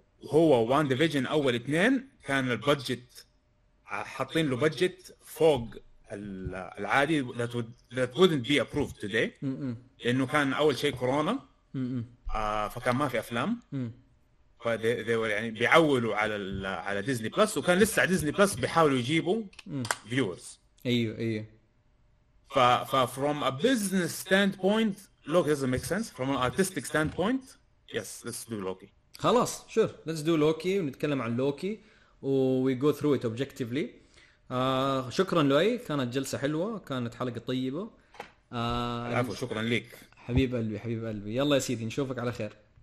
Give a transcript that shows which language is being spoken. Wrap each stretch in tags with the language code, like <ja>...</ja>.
<ar>هو وان ديفيجن اول اثنين كان البادجت حاطين له بادجت فوق العادي</ar> <en>that wouldn't be approved today</en> <ar>لانه كان اول شيء كورونا فكان ما في افلام فذي يعني بيعولوا على ديزني بلس وكان لسه ديزني بلس بيحاولوا يجيبوا فيورز ايوه</ar> <en>ف from a business standpoint look doesn't make sense from an artistic standpoint yes let's do Loki.</en> <ar>خلاص شوف</ar> <en>let's do Loki</en> <ar>ونتكلم عن</ar> <en>Loki we go through it objectively.</en> <ar>شكرا لؤي, كانت جلسه حلوه, كانت حلقه طيبه. عفوا, شكرا لك حبيب قلبي. يلا يا سيدي نشوفك على خير,</ar>